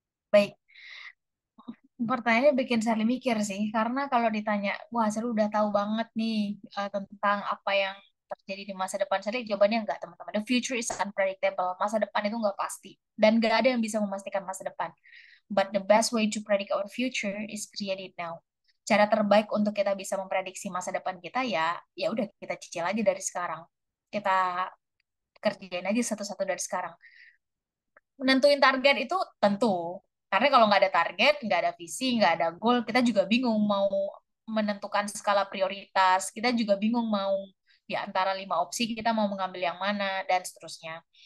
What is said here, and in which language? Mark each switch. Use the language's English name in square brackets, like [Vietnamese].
[Indonesian] Baik, pertanyaannya bikin saya mikir sih, karena kalau ditanya, wah saya udah tahu banget nih tentang apa yang terjadi di masa depan, saya jawabannya enggak teman-teman. [English] The future is unpredictable, [Indonesian] masa depan itu enggak pasti, dan enggak ada yang bisa memastikan masa depan. [English] But the best way to predict our future is create it now. [Indonesian] Cara terbaik untuk kita bisa memprediksi masa depan kita ya udah kita cicil aja dari sekarang. Kita kerjain aja satu-satu dari sekarang. Menentuin target itu tentu. Karena kalau nggak ada target, nggak ada visi, nggak ada goal, kita juga bingung mau menentukan skala prioritas, kita juga bingung mau di antara 5 opsi, kita mau mengambil yang mana, dan seterusnya.